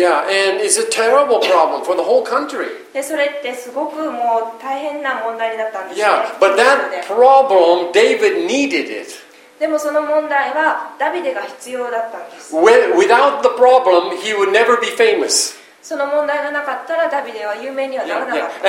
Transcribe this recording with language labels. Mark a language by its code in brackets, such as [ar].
[en] Yeah, and it's a terrible problem for the whole country. [ja] で、それってすごくもう大変な問題になったんですね。 [en] Yeah, but that problem, David needed it. [ja] でもその問題はダビデが必要だったんです。 [en] Without the problem, he would never be famous. [ja] その問題がなかったらダビデは有名にはならなかった。